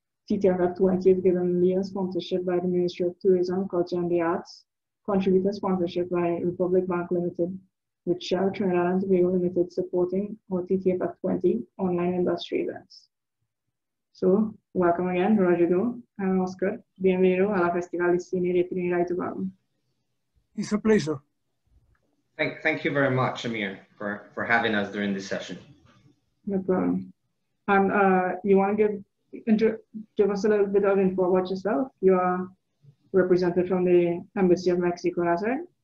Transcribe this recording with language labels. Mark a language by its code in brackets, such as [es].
[en] TTFF20 is given leading sponsorship by the Ministry of Tourism, Culture and the Arts, contributor sponsorship by Republic Bank Limited, with Shell Trinidad and Tobago Limited supporting our TTFF20 online industry events. So, welcome again, Rodrigo and Oscar. [es] Bienvenido a la Festival de Cine de Trinidad y Tobago. [en] It's a pleasure. Thank you very much, Amir, for having us during this session. No problem. And you want to give us a little bit of info about yourself? You are represented from the Embassy of Mexico, that's right?